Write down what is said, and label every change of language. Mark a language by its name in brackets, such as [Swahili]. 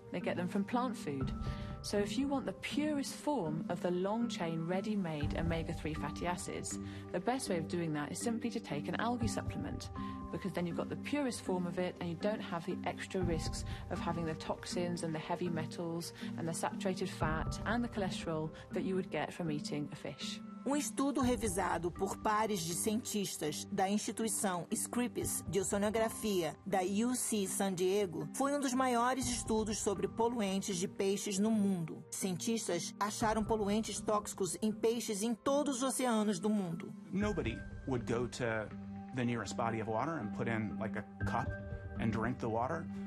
[English] They get them from plant food. So if you want the purest form of the long chain ready-made omega-3 fatty acids, the best way of doing that is simply to take an algae supplement, because then you've got the purest form of it and you don't have the extra risks of having the toxins and the heavy metals and the saturated fat and the cholesterol that you would get from eating a fish. [Portuguese] Estudo revisado por pares de cientistas da instituição Scripps de Oceanografia da UC San Diego foi dos maiores estudos sobre poluentes de peixes no mundo. Cientistas acharam poluentes tóxicos em peixes em todos os oceanos do mundo. [English] Nobody would go to the nearest body of water and put in like a cup and drink the water.